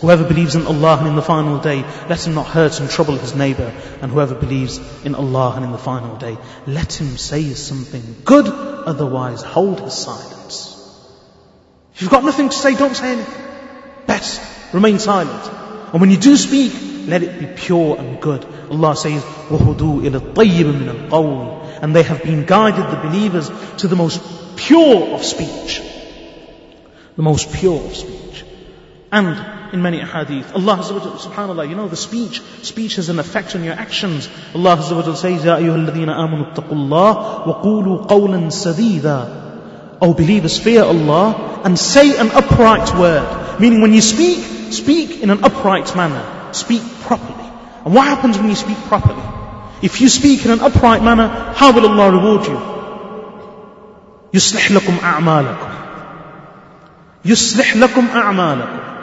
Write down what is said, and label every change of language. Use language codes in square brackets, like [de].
[en] Whoever believes in Allah and in the final day, let him not hurt and trouble his neighbor. And whoever believes in Allah and in the final day, let him say something good, otherwise hold his silence. If you've got nothing to say, don't say anything. Best remain silent. And when you do speak, let it be pure and good. Allah says, [ar] وَهُدُوا إِلَى الطَّيِّبِ مِنَ الْقَوْلِ. [en] And they have been guided, the believers, to the most pure of speech. The most pure of speech. And in many ahadith, Allah subhanAllah, you know, the speech. Speech has an effect on your actions. Allah says, [ar] يَا أَيُّهَا الَّذِينَ آمُنُوا اتَّقُوا اللَّهِ وَقُولُوا قَوْلًا سَدِيدًا. [en] O believers, fear Allah and say an upright word. Meaning when you speak, speak in an upright manner. Speak properly. And what happens when you speak properly? If you speak in an upright manner, how will Allah reward you? [ar] يُصْلِحْ لَكُمْ أَعْمَالَكُمْ يُصْلِحْ لَكُمْ أَعْمَالَكُمْ.